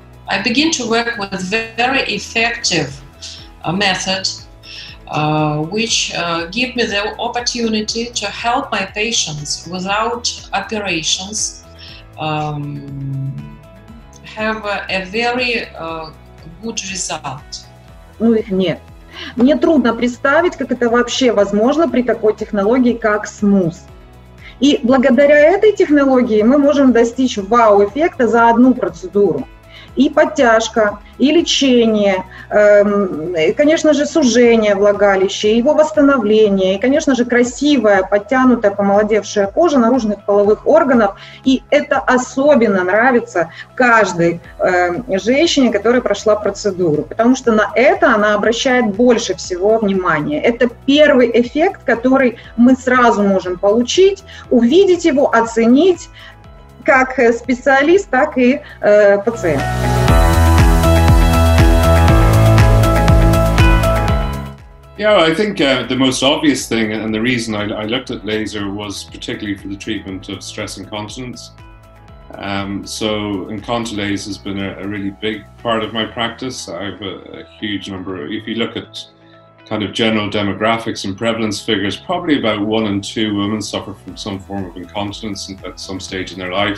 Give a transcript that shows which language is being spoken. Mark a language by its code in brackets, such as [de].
[en] I begin to work with very effective method which give me the opportunity to help my patients without operations, have a very good result. [ru] Нет. Мне трудно представить, как это вообще возможно при такой технологии, как SMOOTH. И благодаря этой технологии мы можем достичь вау-эффекта за одну процедуру. И подтяжка, и лечение, и, конечно же, сужение влагалища, его восстановление, и, конечно же, красивая, подтянутая, помолодевшая кожа наружных половых органов. И это особенно нравится каждой женщине, которая прошла процедуру, потому что на это она обращает больше всего внимания. Это первый эффект, который мы сразу можем получить, увидеть его, оценить, как специалист, так и пациент. [en] Yeah, I think the most obvious thing and the reason I looked at laser was particularly for the treatment of stress incontinence. So incontinence has been a really big part of my practice. I have a huge number. If you look at kind of general demographics and prevalence figures, probably about 1 in 2 women suffer from some form of incontinence at some stage in their life.